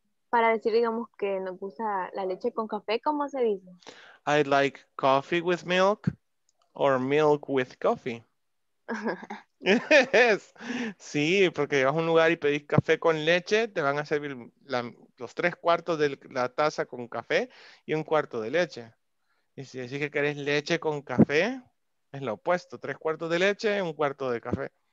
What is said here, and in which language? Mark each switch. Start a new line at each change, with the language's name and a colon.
Spanish: Para decir, digamos, que nos gusta la leche con café, ¿cómo se dice?
English: I like coffee with milk or milk with coffee. Yes.
Spanish: Sí, porque llegas a un lugar y pedís café con leche, te van a servir la, los tres cuartos de la taza con café y un cuarto de leche. Y si decís que querés leche con café, es lo opuesto. Tres cuartos de leche y un cuarto de café.